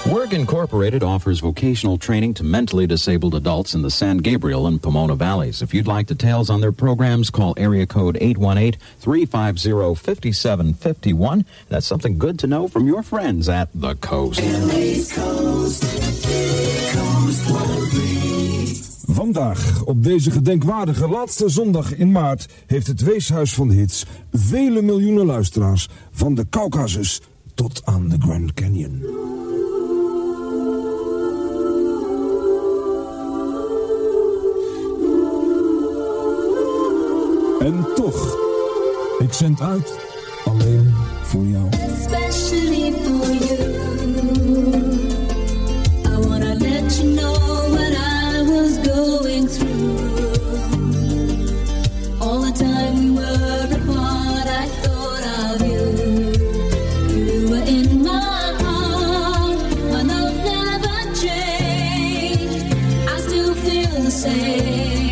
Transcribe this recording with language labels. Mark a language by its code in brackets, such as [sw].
[en] Incorporated offers vocational training to mentally disabled adults in the San Gabriel and Pomona Valleys. If you'd like details on their programs, call area code 818-350-5751. That's something good to know from your friends at the Coast. LA's Coast. [nl] Vandaag, op deze gedenkwaardige laatste zondag in maart, heeft het Weeshuis van Hits vele miljoenen luisteraars van de Caucasus tot aan de Grand Canyon. En toch, ik zend uit alleen voor jou. [en] Especially for you. I wanna let you know what I was going through. All the time we were apart, I thought of you. You were in my heart, my love never changed. I still feel the same.